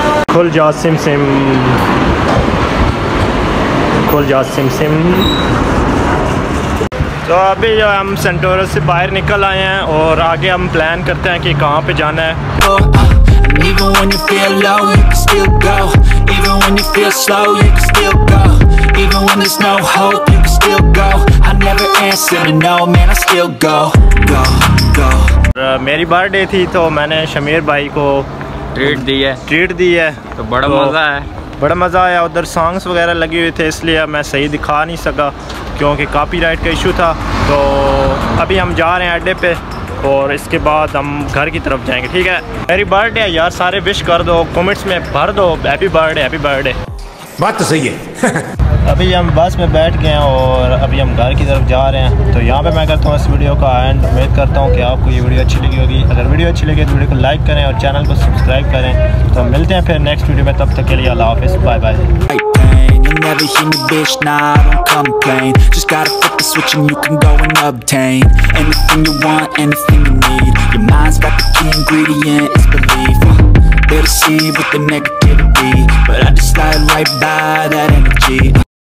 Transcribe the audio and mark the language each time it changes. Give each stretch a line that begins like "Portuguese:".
Hindi: खुल जा SIM SIM, खुल जा सिम सिम. तो अभी जो हम सेंटोरस से बाहर निकल आए हैं और आगे हम प्लान करते हैं कि कहाँ पे जाना है.
English: Even when you feel low, you can still go. Even when you feel slow, you can still go. Even when there's no hope, you can still go. I never answer to no, man, I still go. Go, go.
Hindi: मेरी birthday थी तो मैंने शमीर भाई को treat दी है, treat दी है तो बड़ा मजा है. बड़ा मज़ा आया उधर, सॉन्ग्स वगैरह लगे हुए थे इसलिए मैं सही दिखा नहीं सका क्योंकि कॉपीराइट का इशू था। तो अभी हम जा रहे हैं अड्डे पे और इसके बाद हम घर की तरफ जाएंगे, ठीक है। हैप्पी बर्थडे यार, सारे विश कर दो, कमेंट्स में भर दो हैप्पी बर्थडे, हैप्पी बर्थडे। बात तो सही है। अभी हम बस में बैठ गए हैं और अभी हम घर की तरफ जा रहे हैं। तो यहाँ पे मैं करता हूँ इस वीडियो का एंड, उम्मीद करता हूँ कि आपको ये वीडियो अच्छी लगी होगी। अगर वीडियो अच्छी लगी तो वीडियो को लाइक करें और चैनल को सब्सक्राइब करें। तो मिलते हैं फिर नेक्स्ट वीडियो में, तब तक के लिए अल्लाह हाफिज़, bye bye.
English: Never hear me, bitch, nah, I don't complain. Just gotta flip the switch and you can go and obtain anything you want, anything you need. Your mind's got the key ingredient, it's belief. They'll see with the negativity, but I just slide right by that energy.